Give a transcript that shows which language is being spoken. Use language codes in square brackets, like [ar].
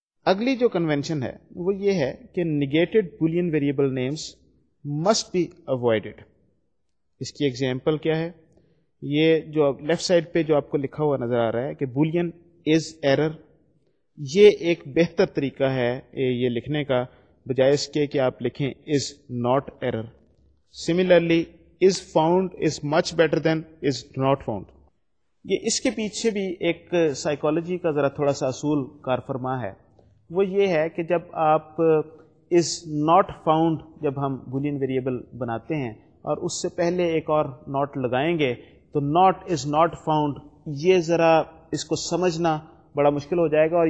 [ur] اگلی جو کنونشن ہے وہ یہ ہے کہ [en] Negated boolean variable names must be avoided. [ur] اس کی ایگزامپل کیا ہے؟ یہ جو لیفٹ سائڈ پہ جو آپ کو لکھا ہوا نظر آ رہا ہے کہ [en] boolean is error, [ur] یہ ایک بہتر طریقہ ہے یہ لکھنے کا بجائے اس کے کہ آپ لکھیں [en] Is not error. Similarly is found is much better than is not found. [ur] یہ اس کے پیچھے بھی ایک سائیکالوجی کا ذرا تھوڑا سا اصول کار فرما ہے. وہ یہ ہے کہ جب آپ [en] is not found [ur] جب ہم بولین ویریبل بناتے ہیں اور اس سے پہلے ایک اور ناٹ لگائیں گے تو [en] not is not found, [ur] یہ ذرا اس کو سمجھنا بڑا مشکل ہو جائے گا.